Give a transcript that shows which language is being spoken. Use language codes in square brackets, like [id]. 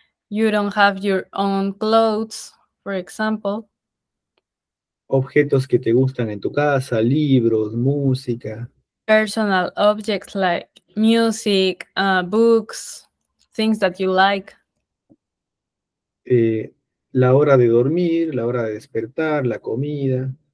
[en] You don't have your own clothes, for example. [es] Objetos que te gustan en tu casa, libros, música. [en] Personal objects like music, books, things that you like. [es] la hora de dormir, la hora de despertar, la comida.